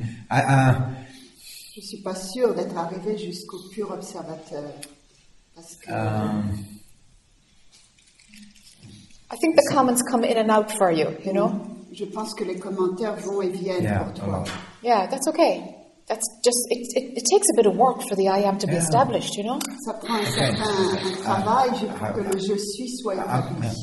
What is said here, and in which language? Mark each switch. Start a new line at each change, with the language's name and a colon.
French: Je suis pas sûr d'être arrivé jusqu'au pur observateur parce que
English: I think the comments come in and out for you, you know?
French: Je pense que les commentaires vont et viennent pour toi.
English: Yeah, that's okay. That's just it takes a bit of work for the I am to be established, you know?
French: Ça prend un certain travail pour que le je suis soit établi.